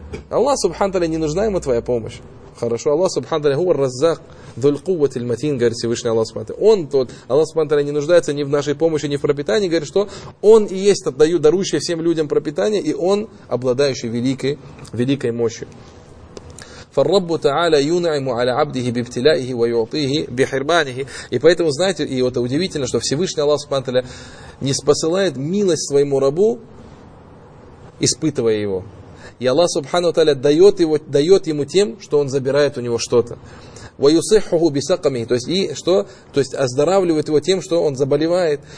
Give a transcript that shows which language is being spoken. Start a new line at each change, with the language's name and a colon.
Russian: Аллах Субханаху не нужна ему твоя помощь. Хорошо, Аллах Субханаху раззак дуль куватиль матин, говорит Всевышний Аллах Субханаху. Он тот, Аллах Субханаху не нуждается ни в нашей помощи, ни в пропитании, говорит, что он и есть, отдает дарующий всем людям пропитание, и он обладающий великой мощью.
Arabic: فالرب تعالى ينعم على عبده بابتلائه ويعطيه بحرمانه.
Russian: И поэтому, знаете, и вот удивительно, что Всевышний Аллах Субхану Таля не спосылает милость своему рабу, испытывая его. И Аллах Субхану Таля дает ему тем, что он забирает у него что-то.
Arabic: وَيُصِحُّهُ بِسَقَمِهِ,
Russian: то есть, и что? То есть оздоравливает его тем, что он заболевает.